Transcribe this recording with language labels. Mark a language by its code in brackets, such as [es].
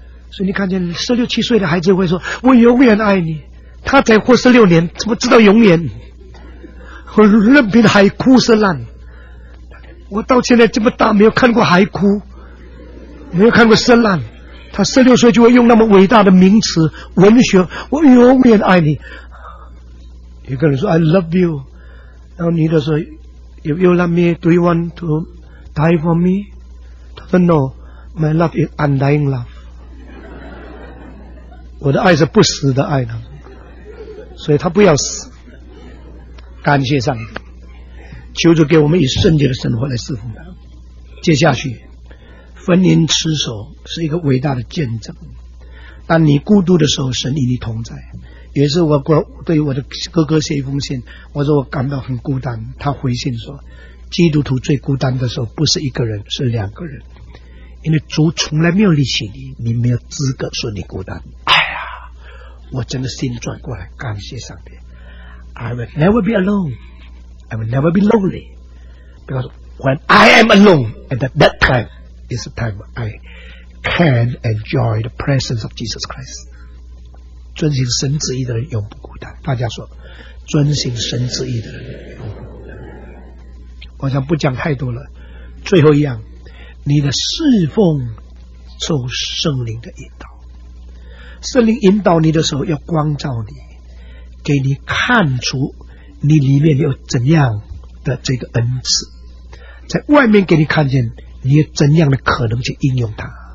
[zh] 所以你看见十六七岁的孩子会说我永远爱你，他才活十六年怎么知道永远？我任凭海枯石烂，我到现在这么大没有看过海枯，没有看过石烂，他十六岁就会用那么伟大的名词文学，我永远爱你。有个人说 [en] I love you， [zh] 然后女的说 [en] If you love me do you want to die for me？ [zh] 他说 [en] No， my love is undying love， [zh] 我的爱是不死的爱呢，所以他不要死。感谢上帝，求主给我们以圣洁的生活来侍奉他。接下去婚姻持守是一个伟大的见证，当你孤独的时候神与你同在。也是我对我的哥哥写一封信，我说我感到很孤单，他回信说基督徒最孤单的时候不是一个人，是两个人，因为主从来没有离弃你，你没有资格说你孤单。哎呀，我真的心转过来，感谢上帝。 [en] I will never be alone， I will never be lonely， because when I am alone at that timeIt's time I can enjoy the presence of Jesus Christ。 [zh] 遵行神旨意的人永不孤单。大家说遵行神旨意的人永不孤单。我想不讲太多了，最后一样，你的侍奉受圣灵的引导。圣灵引导你的时候要光照你，给你看出你里面有怎样的这个恩赐，在外面给你看见你有怎样的可能去应用它。